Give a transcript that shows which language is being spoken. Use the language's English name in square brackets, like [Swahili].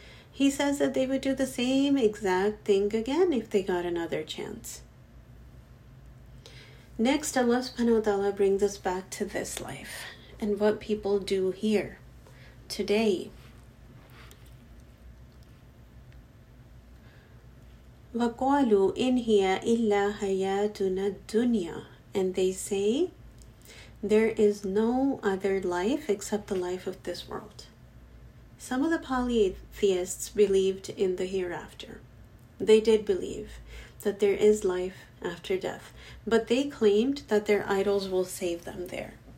[English] He says that they would do the same exact thing again if they got another chance. Next, Allah subhanahu wa ta'ala brings us back to this life and what people do here today. [Arabic] وقالوا إن هي إلا حياتنا الدنيا. [English] And they say, there is no other life except the life of this world. Some of the polytheists believed in the hereafter. They did believe that there is life after death, but they claimed that their idols will save them there.